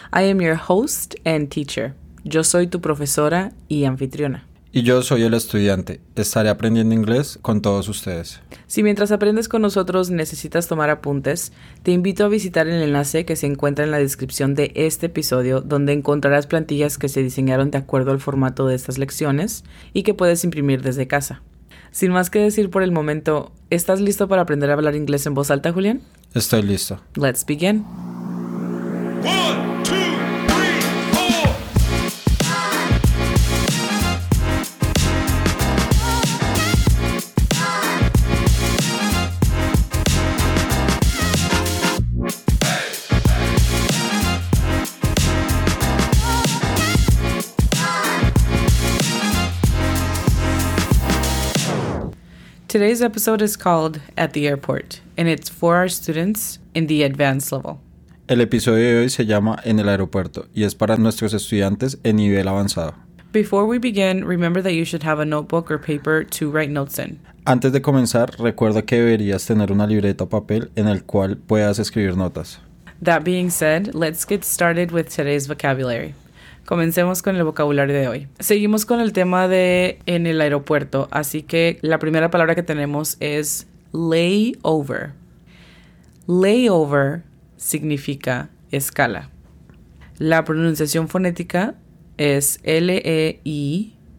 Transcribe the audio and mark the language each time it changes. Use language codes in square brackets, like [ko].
[en] I am your host and teacher. [es] Yo soy tu profesora y anfitriona. Y yo soy el estudiante. Estaré aprendiendo inglés con todos ustedes. Si mientras aprendes con nosotros necesitas tomar apuntes, te invito a visitar el enlace que se encuentra en la descripción de este episodio, donde encontrarás plantillas que se diseñaron de acuerdo al formato de estas lecciones y que puedes imprimir desde casa. Sin más que decir por el momento, ¿estás listo para aprender a hablar inglés en voz alta, Julián? Estoy listo. [en] Let's begin. Today's episode is called At the Airport, and it's for our students in the advanced level. [es] El episodio de hoy se llama En el aeropuerto, y es para nuestros estudiantes en nivel avanzado. [en] Before we begin, remember that you should have a notebook or paper to write notes in. [es] Antes de comenzar, recuerda que deberías tener una libreta o papel en el cual puedas escribir notas. [en] That being said, let's get started with today's vocabulary. [es] Comencemos con el vocabulario de hoy. Seguimos con el tema de en el aeropuerto, así que la primera palabra que tenemos es layover. Layover significa escala. La pronunciación fonética es L-E-I-O-V-R.